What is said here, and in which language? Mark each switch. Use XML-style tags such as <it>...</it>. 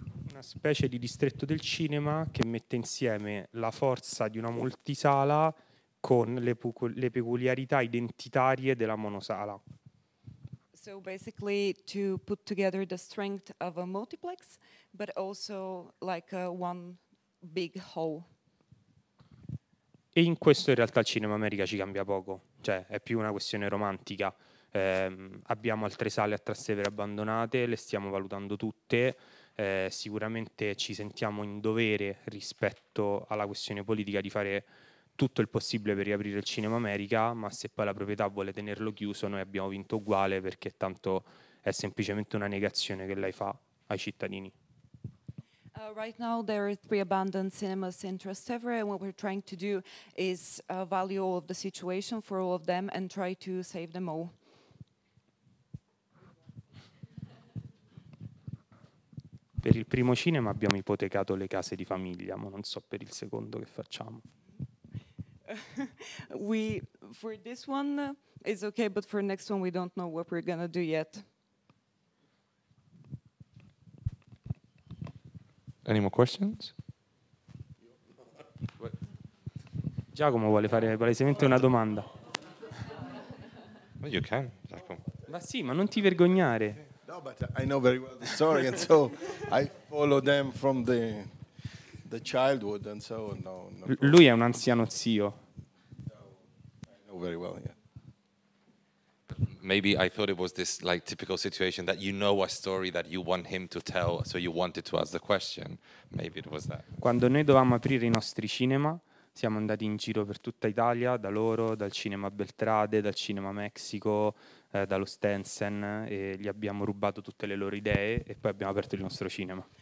<it>Una specie di distretto del cinema che mette insieme la forza di una multisala con le peculiarità identitarie della monosala.</it> <en>So basically to put together the strength of a multiplex, but also like a one big hall.</en> <it>E in questo in realtà il Cinema America ci cambia poco, cioè è più una questione romantica. Abbiamo altre sale a Trastevere abbandonate, le stiamo valutando tutte. Sicuramente ci sentiamo in dovere rispetto alla questione politica di fare tutto il possibile per riaprire il Cinema America, ma se poi la proprietà vuole tenerlo chiuso, noi abbiamo vinto uguale, perché tanto è semplicemente una negazione che lei fa ai cittadini.</it> <en>Right now there are three abandoned cinemas in Trastevere, and what we're trying to do is value all of the situation for all of them and try to save them all.</en> <it>Per il primo cinema abbiamo ipotecato le case di famiglia, ma non so per il secondo che facciamo.</it> <en>We for this one is okay, but for next one we don't know what we're gonna do yet. Any more questions?</en> <it>Giacomo vuole fare palesemente una domanda.</it> <en>Well, you can, Giacomo.</en> <it>Ma sì, ma non ti vergognare.</it> <en>No, but I know very well the story, and so I follow them from the childhood, and so on. No, no.</en> <it>Lui è un anziano zio.</it> <en>No, I know very well, yeah. Maybe I thought it was this like typical situation that you know a story that you want him to tell, so you wanted to ask the question. Maybe it was that.</en> <it>Quando noi dovevamo aprire i nostri cinema, siamo andati in giro per tutta Italia, da loro, dal cinema Beltrade, dal cinema Mexico, dallo Stensen, e gli abbiamo rubato tutte le loro idee e poi abbiamo aperto il nostro cinema.</it>